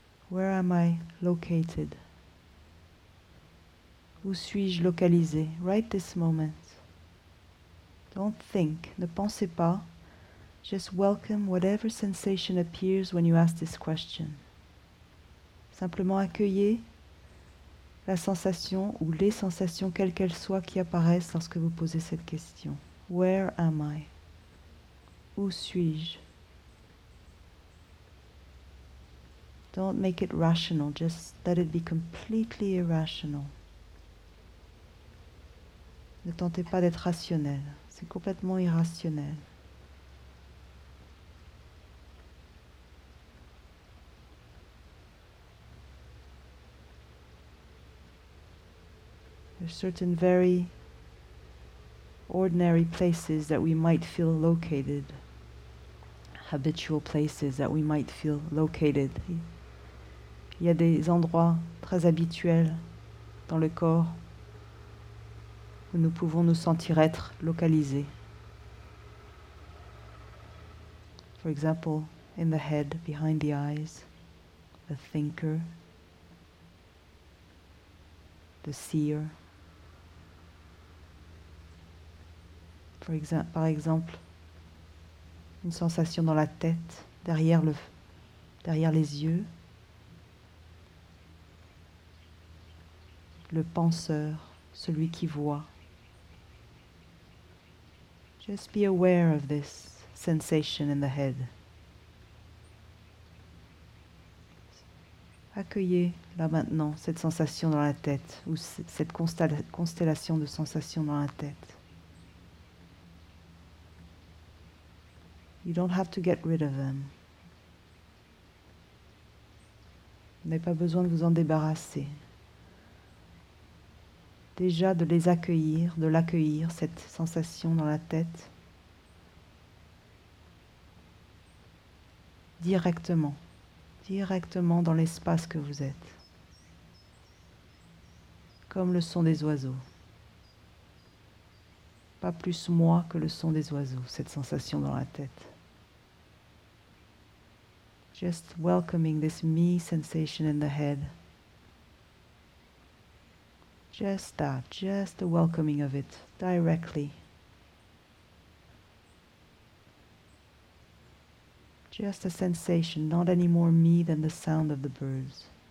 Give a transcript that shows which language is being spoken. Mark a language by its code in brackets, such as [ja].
[en] Where am I located? [fr] Où suis-je localisé? [en] Right this moment. Don't think. [fr] Ne pensez pas. [en] Just welcome whatever sensation appears when you ask this question. [fr] Simplement accueillez la sensation ou les sensations, quelles qu'elles soient, qui apparaissent lorsque vous posez cette question. [en] Where am I? [fr] Où suis-je? [en] Don't make it rational, just let it be completely irrational. [fr] Ne tentez pas d'être rationnel, c'est complètement irrationnel. [en] There are certain very ordinary places that we might feel located, habitual places that we might feel located. [fr] Il y a des endroits très habituels dans le corps où nous pouvons nous sentir être localisés. [en] For example, in the head, behind the eyes, the thinker, the seer. [fr] Par exemple, une sensation dans la tête, derrière les yeux. Le penseur, celui qui voit. [en] Just be aware of this sensation in the head. [fr] Accueillez là maintenant cette sensation dans la tête ou cette constellation de sensations dans la tête. [en] You don't have to get rid of them. [fr] Vous n'avez pas besoin de vous en débarrasser. Déjà de les accueillir, de l'accueillir, cette sensation dans la tête, directement dans l'espace que vous êtes, comme le son des oiseaux. Pas plus moi que le son des oiseaux, cette sensation dans la tête. [en] Just welcoming this me sensation in the head. Just that, just the welcoming of it, directly. Just a sensation, not any more me than the sound of the birds.